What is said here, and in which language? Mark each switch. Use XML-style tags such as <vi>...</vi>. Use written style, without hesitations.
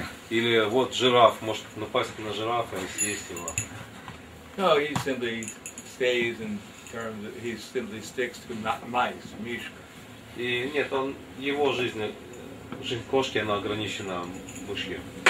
<ru>Или вот жираф, может напасть на жирафа и съесть его.</ru> <en>No, he simply stays in terms of, he simply sticks to mice, мишка.</en> <ru>И нет, он, его жизнь, жизнь кошки, она ограничена мышью.</ru>